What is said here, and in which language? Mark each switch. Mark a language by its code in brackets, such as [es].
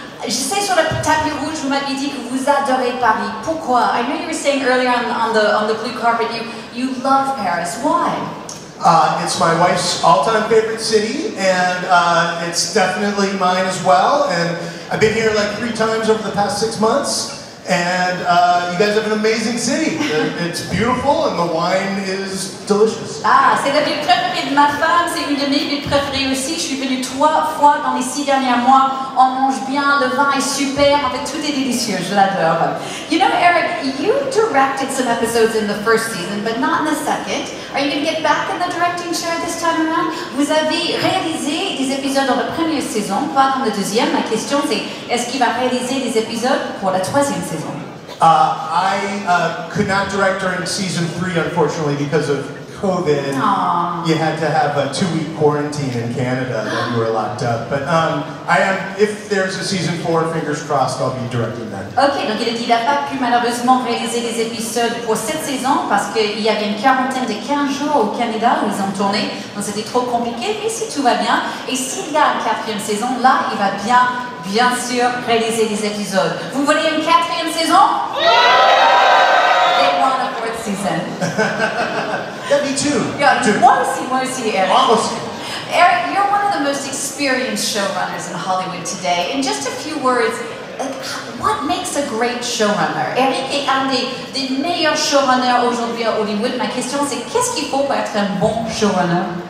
[fr] Je sais sur le tapis rouge, vous m'avez dit que vous adorez Paris. Pourquoi? [en] I know you were saying earlier on the blue carpet you love Paris. Why? It's my wife's all-time favorite city, and it's definitely mine as well. And I've been here like 3 times over the past 6 months. And you guys have an amazing city. It's beautiful, and the wine is delicious. [fr] Ah, c'est la ville préférée de ma femme. C'est une de mes villes préférées aussi. Je suis venue 3 fois dans les 6 derniers mois. On mange bien, le vin est super. En fait, tout est délicieux. Je l'adore. [en] You know, Eric, you directed some episodes in the first season, but not in the second. Are you going to get back in the directing chair this time around? [fr] Vous avez réalisé des épisodes dans la première saison, pas dans la deuxième. Ma question, c'est est-ce qu'il va réaliser des épisodes pour la troisième? [en] I could not direct during season 3, unfortunately, because of COVID. Aww. You had to have a 2-week quarantine in Canada when you were locked up. But I am, if there's a season 4, fingers crossed, I'll be directing that. [fr] Okay, donc il a dit qu'il n'a pas pu malheureusement réaliser les épisodes pour cette saison parce qu'il y avait une quarantaine de 15 jours au Canada où ils ont tourné. Donc c'était trop compliqué, mais si tout va bien. Et s'il y a une 4e saison, là, il va bien. Bien sûr, réaliser des épisodes. Vous voulez une 4e saison? [en] Yeah! They want a 4th season. Yeah, me too. [fr] Yeah, moi aussi, Eric. [en] Almost. Eric, you're one of the most experienced showrunners in Hollywood today. In just a few words, what makes a great showrunner? [fr] Eric est un des meilleurs showrunners aujourd'hui à Hollywood. Ma question, c'est qu'est-ce qu'il faut pour être un bon showrunner?